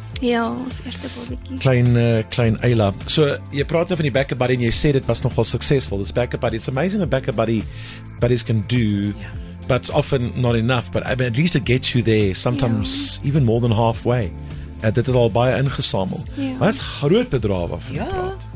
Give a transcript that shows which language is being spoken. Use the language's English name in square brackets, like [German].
[Afrikaans] Ja, ons eerste bobbietjie. Klein Ayla. So, jy praat nou van die backup buddy en jy sê dit was nogal suksesvol. [English] This backup buddy, it's amazing what backup buddies can do, but it's often not enough. But I mean, at least it gets you there, sometimes even more than halfway. [Afrikaans] Dit het al baie ingesamel. Ja. Maar dit is groot bedrag waarvan jy praat.